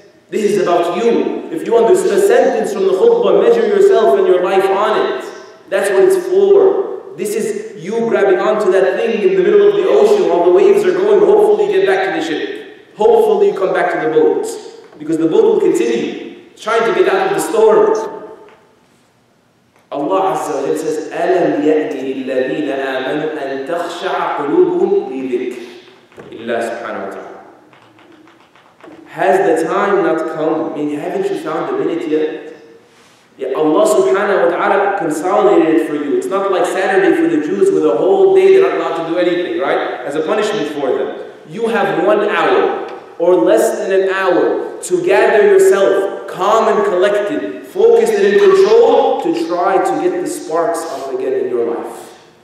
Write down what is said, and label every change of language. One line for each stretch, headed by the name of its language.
English: This is about you. If you understand a sentence from the khutbah, measure yourself and your life on it. That's what it's for. This is you grabbing onto that thing in the middle of the ocean while the waves are going. Hopefully you get back to the ship. Hopefully you come back to the boat. Because the boat will continue trying to get out of the storm. Allah Azza wa Jalla says,
Arabic: أَلَمْ يَأْتِي الَّذِينَ آمَنُوا أَنْ تَخْشَعَ قُلُوبُهُمْ لِذِكْرِ اللَّهِ سُبْحَانَهُ وَتَعَالَى.
English: Has the time not come? I mean, haven't you found a minute yet? Yeah, Allah subhanahu wa ta'ala consolidated it for you. It's not like Saturday for the Jews with a whole day they're not allowed to do anything, right? As a punishment for them. You have 1 hour, or less than an hour, to gather yourself, calm and collected, focused and in control, to try to get the sparks up again in your life.